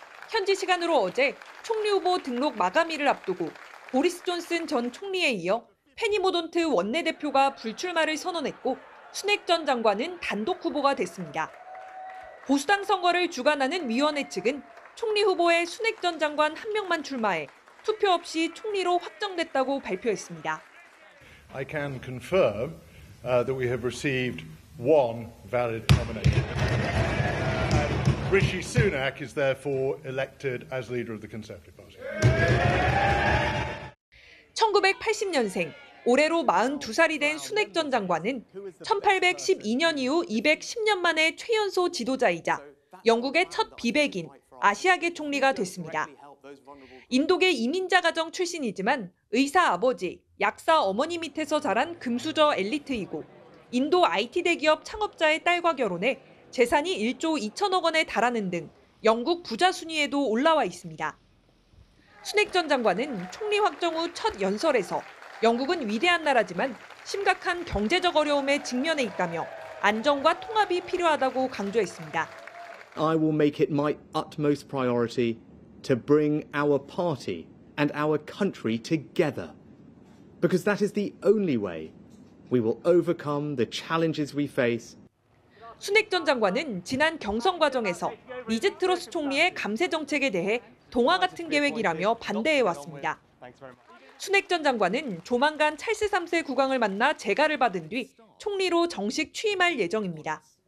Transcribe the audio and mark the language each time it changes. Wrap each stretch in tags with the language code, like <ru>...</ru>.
<ko>현지 시간으로 어제 총리 후보 등록 마감일을 앞두고 보리스 존슨 전 총리에 이어 페니 모던트 원내대표가 불출마를 선언했고 수낵 전 장관은 단독 후보가 됐습니다. 보수당 선거를 주관하는 위원회 측은 총리 후보에 수낵 전 장관 한 명만 출마해 투표 없이 총리로 확정됐다고 발표했습니다.</ko> <en>I can confirm that we have received one valid nomination. And Rishi Sunak is therefore elected as leader of the Conservative Party.</en> <ko>1980년생, 올해로 42살이 된 수낵 전 장관은 1812년 이후 210년 만에 최연소 지도자이자 영국의 첫 비백인 아시아계 총리가 됐습니다. 인도계 이민자 가정 출신이지만 의사 아버지, 약사 어머니 밑에서 자란 금수저 엘리트이고 인도 IT 대기업 창업자의 딸과 결혼해 재산이 1조 2천억 원에 달하는 등 영국 부자 순위에도 올라와 있습니다. 수낵 전 장관은 총리 확정 후 첫 연설에서 영국은 위대한 나라지만 심각한 경제적 어려움에 직면해 있다며 안정과 통합이 필요하다고 강조했습니다.</ko> <en>I will make it my utmost priority to bring our party and our country together. Because that is the only way we will overcome the challenges we face.</en> <ko>수낵 전 장관은 지난 경선 과정에서 리즈 트러스 총리의 감세 정책에 대해 동화 같은 계획이라며 반대해 왔습니다. 수낵 전 장관은 조만간 찰스 3세 국왕을 만나 재가를 받은 뒤 총리로 정식 취임할 예정입니다.</ko>